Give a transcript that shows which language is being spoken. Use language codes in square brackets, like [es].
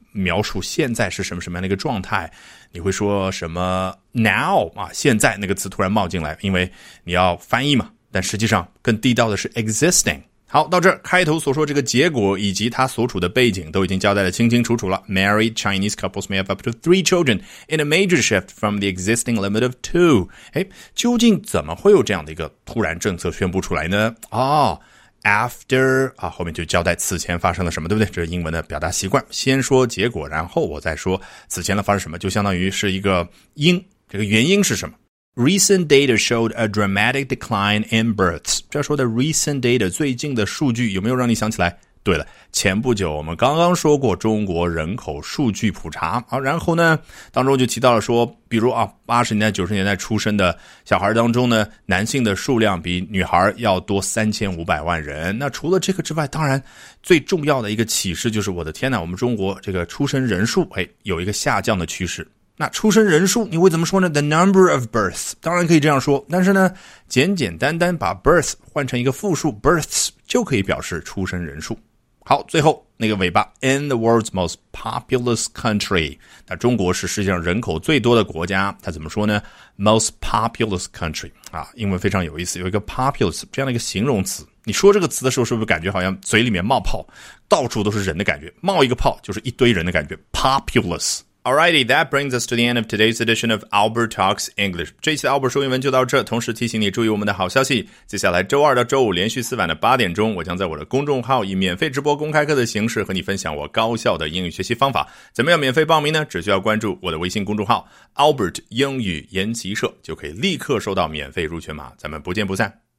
[zh] 描述现在是什么什么样的一个状态，你会说什么 now 啊，现在那个词突然冒进来，因为你要翻译嘛，但实际上更地道的是 existing。好，到这儿开头所说这个结果以及他所处的背景都已经交代的清清楚楚了。 [en] Married Chinese couples may have up to 3 children in a major shift from the existing limit of 2. [zh] 诶，究竟怎么会有这样的一个突然政策宣布出来呢？哦，after, 啊，后面就交代此前发生了什么，对不对？这是英文的表达习惯。先说结果，然后我再说此前的发生什么，就相当于是一个因，这个原因是什么。 [en] Recent data showed a dramatic decline in births. [zh] 这说的 recent data, 最近的数据有没有让你想起来？对了，前不久我们刚刚说过中国人口数据普查。啊，然后呢当中就提到了说，比如啊 ,80 年代 ,90 年代出生的小孩当中呢，男性的数量比女孩要多3500万人。那除了这个之外，当然最重要的一个启示就是，我的天哪，我们中国这个出生人数，哎，有一个下降的趋势。那出生人数你会怎么说呢？The number of births, 当然可以这样说，但是呢简简单单把 birth 换成一个复数 births 就可以表示出生人数。好，最后那个尾巴 [en] in the world's most populous country, [zh] 那中国是世界上人口最多的国家，它怎么说呢？ most populous country, 啊，英文非常有意思，有一个 populous 这样的一个形容词，你说这个词的时候是不是感觉好像嘴里面冒泡，到处都是人的感觉，冒一个泡就是一堆人的感觉， populous。 [en] Alrighty, that brings us to the end of today's edition of Albert Talks English. [zh] 这一期的 Albert 说英文就到这，同时提醒你注意我们的好消息。接下来周二到周五连续四晚的8点，我将在我的公众号以免费直播公开课的形式和你分享我高效的英语学习方法。怎么样免费报名呢？只需要关注我的微信公众号 Albert 英语研习社，就可以立刻收到免费入群码。咱们不见不散。